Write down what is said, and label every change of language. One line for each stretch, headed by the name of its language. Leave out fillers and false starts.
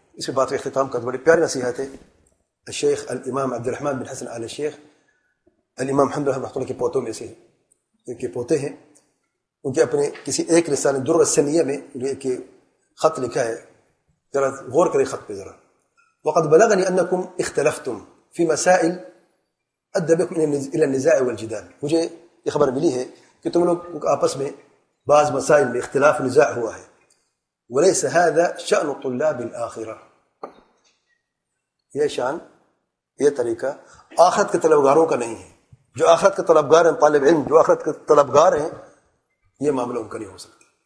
Urdu: اس میں بات کا اختتام کر، بڑی پیاری نصیحت ہے. الشیخ الامام عبد الرحمن بن حسن آل شیخ الامام حمد الرحمۃ اللہ کے پوتوں میں سے کے پوتے ہیں. ان کے اپنے کسی ایک رسالے در السنیہ میں انہیں ایک خط لکھا ہے، ذرا غور کریں خط پہ ذرا.
Arabic: وقد بلغني انكم اختلفتم في مسائل ادى بكم الى النزاع والجدال.
Urdu: مجھے یہ خبر ملی ہے کہ تم لوگ آپس میں بعض مسائل میں اختلاف نزاع ہوا ہے.
Arabic: وليس هذا شان طلاب الاخره،
Urdu: یہ شان، یہ طریقہ آخرت کے طلبگاروں کا نہیں ہے. جو آخرت کے طلبگار ہیں طالب علم، جو آخرت کے طلبگار ہیں، یہ معاملہ ان کا نہیں ہو سکتا.